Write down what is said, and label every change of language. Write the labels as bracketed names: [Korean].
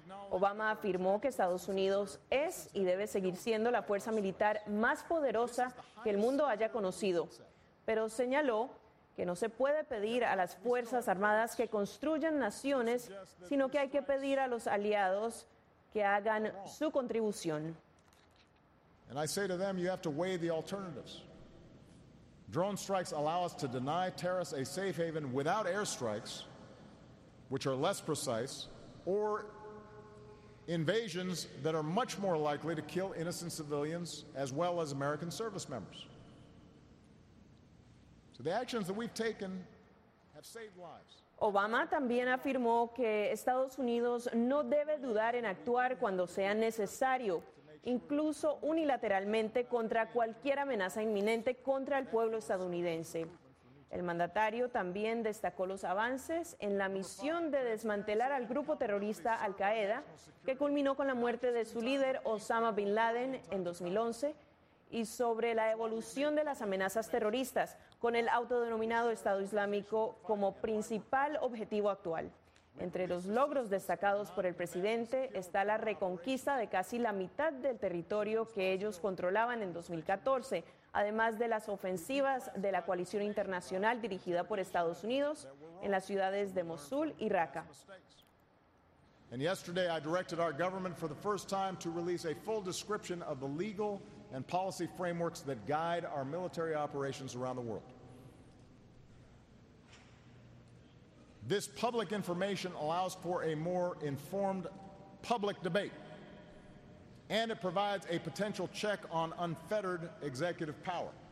[Spanish] Obama afirmó que Estados Unidos es y debe seguir siendo la fuerza militar más poderosa que el mundo haya conocido, pero señaló que no se puede pedir a las Fuerzas Armadas que construyan naciones, sino que hay que pedir a los aliados que hagan su contribución. [English] And I say to them, you have to weigh the alternatives. Drone strikes allow us to deny terrorists a safe haven without airstrikes, which are less precise, or invasions that are much more likely to kill innocent civilians as well as American service members. So the actions that we've taken have saved lives. [Spanish] Obama también afirmó que Estados Unidos no debe dudar en actuar cuando sea necesario, incluso unilateralmente contra cualquier amenaza inminente contra el pueblo estadounidense. El mandatario también destacó los avances en la misión de desmantelar al grupo terrorista Al-Qaeda, que culminó con la muerte de su líder Osama Bin Laden en 2011, y sobre la evolución de las amenazas terroristas, con el autodenominado Estado Islámico como principal objetivo actual. Entre los logros destacados por el presidente está la reconquista de casi la mitad del territorio que ellos controlaban en 2014, además de las ofensivas de la coalición internacional dirigida por Estados Unidos en las ciudades de Mosul y Raqqa. [English] And yesterday I directed our government for the first time to release a full description of the legal and policy frameworks that guide our military operations around the world. This public information allows for a more informed public debate, and it provides a potential check on unfettered executive power.